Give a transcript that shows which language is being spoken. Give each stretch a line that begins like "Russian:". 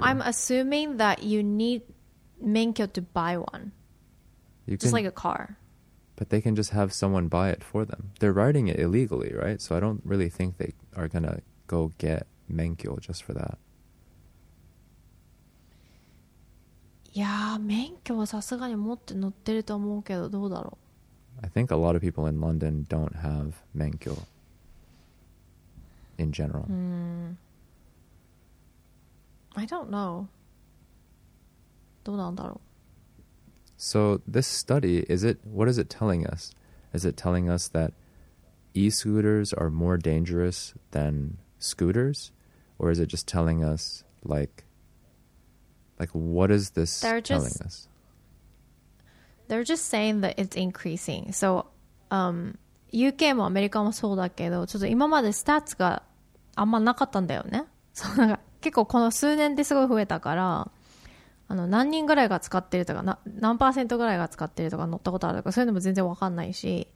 English: No, I'm assuming that you need 免許 to buy one. You just like a car. But they can just have someone buy it for them. They're riding it illegally, right? So I don't really think they are going to go get 免許 just for that.
Japanese: やー免許はさすがに持って乗ってると思うけどどうだろう。
English: I think a lot of people in London don't have 免許 in general. I don't know.
Japanese: どうなんだろう。
English: So this study, is it, what is it telling us? Is it telling us that e-scooters are more dangerous than scooters? Or is it just telling us, like what is this telling us? They're just saying that it's increasing.
Japanese: So, UK もアメリカもそうだけど、ちょっと今までスタッツがあんまなかったんだよね。そう、なんか結構この数年ですごい増えたから、あの何人ぐらいが使ってるとか、何パーセントぐらいが使ってるとか乗ったことあるとか、そういうのも全然わかんないし。